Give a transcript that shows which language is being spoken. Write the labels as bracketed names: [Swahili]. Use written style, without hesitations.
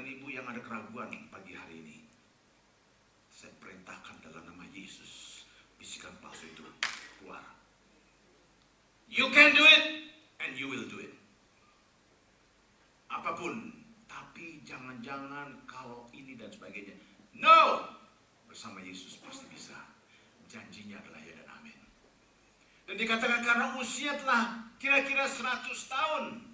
[Indonesian] yang ada keraguan pagi hari ini, saya perintahkan dalam nama Yesus, bisikan palsu itu keluar. [English] You can do it and you will do it. [Indonesian] Apapun, tapi jangan-jangan kalau ini dan sebagainya. No! Bersama Yesus pasti bisa. Janjinya adalah ya dan amin. Dan dikatakan karena usia telah kira-kira 100 tahun.